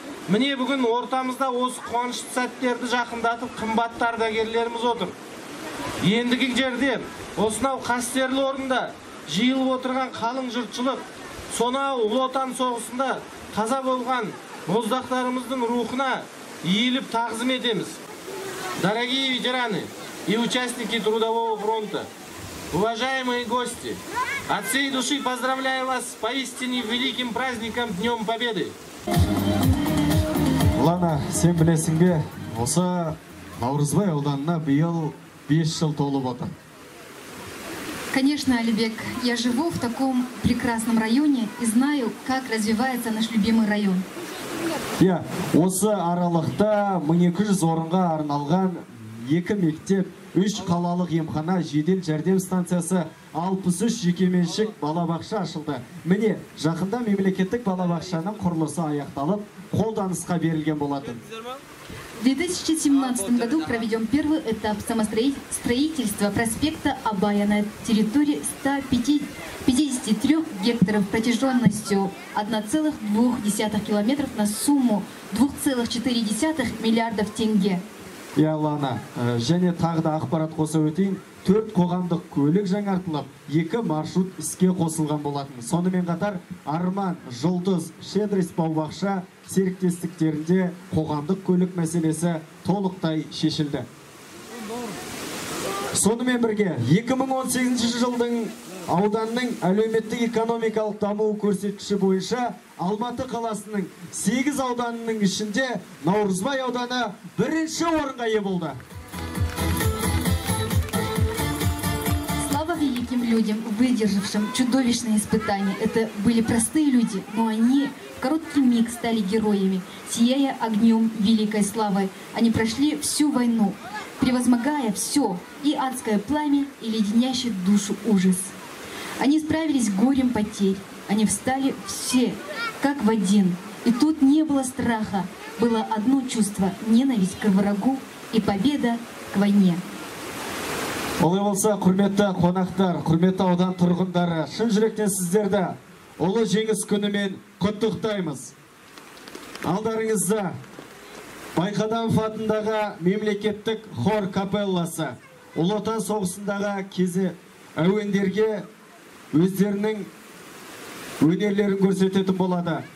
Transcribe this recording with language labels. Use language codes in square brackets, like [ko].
[kk] Міне бүгін ортамызда осы қуанышты сәттерді жақындатып қымбатты ардагерлеріміз отыр. Ендігі жерде осынау қастерлі орында жиылып отырған қалың жұртшылық сонау Ұлы Отан соғысында қаза болған боздақтарымыздың рухына иіліп тағзым етеміз. [ru] Дорогие ветераны и участники трудового фронта, уважаемые гости, от всей души поздравляю вас с поистине великим праздником Днем Победы. [kk] Лана, сен білесің бе, осы Наурызбай ауданына биыл 5 жыл толып отыр. [ru] Конечно, Алибек, я живу в таком прекрасном районе и знаю, как развивается наш любимый район. [kk] Я осы аралықта 1200 орынға арналған 2 мектеп, 3 қалалық емхана, жедел жәрдем станциясы, 63 жекеменшік балабақша ашылды. Міне, жақында мемлекеттік балабақшаның құрылысы аяқталып, қолданысқа берілген болатын. [ru] В 2017 году проведем первый этап строительства проспекта Абая на территории 153 гектаров протяженностью 1,2 километров на сумму 2,4 миллиардов тенге. [kk] Я Лана, және тағы да ақпарат қоса өтейін. 4 қоғамдық көлік жаңартылып, 2 маршрут іске қосылған болатын. Сонымен қатар Арман, Жұлдыз, Шедрес бау-бақша серіктестіктерінде қоғамдық көлік мәселесі толықтай шешілді. Сонымен бірге 2018 жылдың ауданның әлеуметтік экономикалық даму көрсеткіші бойынша Алматы қаласының 8 ауданының ішінде Наурызбай ауданы 1-ші орынға ие болды. [ru] Великим людям, выдержавшим чудовищные испытания. Это были простые люди, но они в короткий миг стали героями, сияя огнем великой славы. Они прошли всю войну, превозмогая все, и адское пламя, и леденящий душу ужас. Они справились с горем потерь, они встали все, как в один. И тут не было страха, было одно чувство – ненависть к врагу и победа к войне. [kk] Олай болса, құрметті қонақтар, құрметті аудан тұрғындары, шын жүректен сіздерді Ұлы Жеңіс күнімен құттықтаймыз. Алдарыңызда Байқадамов атындағы мемлекеттік хор капелласы, Ұлы Отан соғысындағы кезі әуендерге өздерінің өнерлерін көрсететін болады.